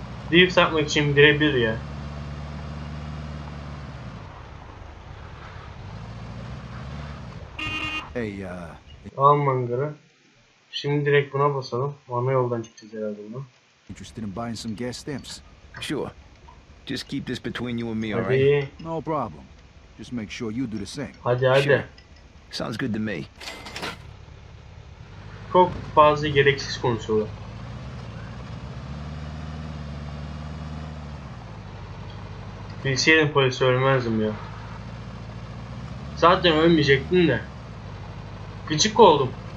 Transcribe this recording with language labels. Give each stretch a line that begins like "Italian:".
Turkish: Deyip satmak için birebir ya. Hey ya. Al mangara. Şimdi direkt buna basalım. Ana yoldan çıkacağız herhalde bunu.
English: Interested in buying some gas stamps? Sure. Just keep this between you and me,
Turkish: hadi.
English: Alright? No problem. Just make sure you do the same.
Turkish: Hadi hadi.
English: Sure. Sounds good to me.
Turkish: Çok fazla gereksiz konuşuyorlar. Bilseydim polis ölmezdim ya. Zaten ölmeyecektim de. Gıcık oldum.